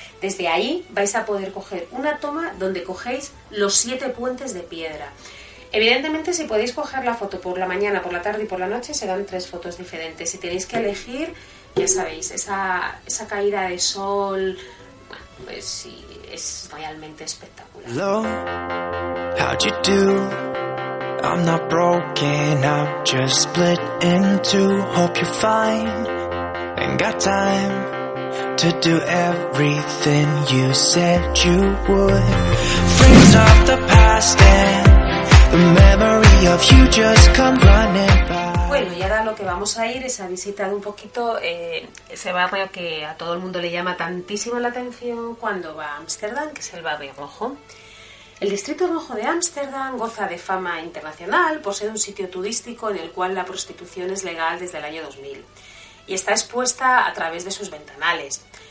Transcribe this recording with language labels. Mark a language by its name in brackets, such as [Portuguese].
[Spanish] Desde ahí vais a poder coger una toma donde cogéis los 7 puentes de piedra. Evidentemente, si podéis coger la foto por la mañana, por la tarde y por la noche, serán 3 fotos diferentes. Si tenéis que elegir, ya sabéis, esa caída de sol, bueno, pues sí, es realmente espectacular. [English] Hello. How'd you do? I'm not broken, I'm just split in two. Hope you're fine and got time to do everything you said you would. Freeze up the past and the memory of you just come running by. [Spanish] Bueno, y ahora lo que vamos a ir es a visitar un poquito ese barrio que a todo el mundo le llama tantísimo la atención cuando va a Ámsterdam, que es el Barrio Rojo. El Distrito Rojo de Ámsterdam goza de fama internacional por ser un sitio turístico en el cual la prostitución es legal desde el año 2000 y está expuesta a través de sus ventanales.